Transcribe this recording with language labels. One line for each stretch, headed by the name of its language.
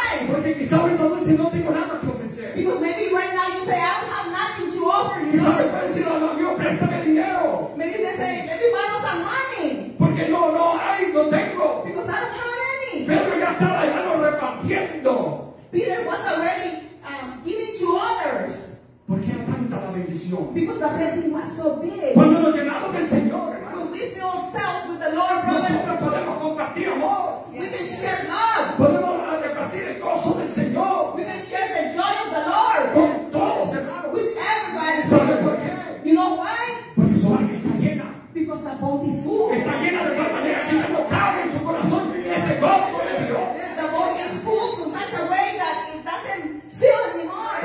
Spanish: Porque quizá ahorita tú dices, no tengo nada que ofrecer.
English: Because maybe right now you say, I don't have nothing to offer you.
Spanish: Quizá me puedes decir, no, amigo, préstame dinero.
English: Maybe they say, let me borrow some money.
Spanish: Porque no hay, no tengo.
English: Because I don't have any.
Spanish: Pedro ya estaba allá no repartiendo.
English: Peter was already giving to others.
Spanish: Porque era tanta la bendición.
English: Because the blessing was so big.
Spanish: Cuando nos llenamos del Señor, hermano.
English: When we fill ourselves with the Lord, brothers.
Spanish: Nosotros podemos compartir amor.
English: Yes. We can share love.
Spanish: Podemos compartir el gozo del Señor.
English: We can share the joy of the Lord.
Spanish: Con todos, hermano.
English: With everybody.
Spanish: ¿Sabe por qué?
English: You know why?
Spanish: Porque su alma está llena.
English: Because the boat is full.
Spanish: Está llena de tal manera que ya no cabe en su corazón. Y ese gozo de Dios.
English: The boat is full in such a way that it doesn't feel anymore.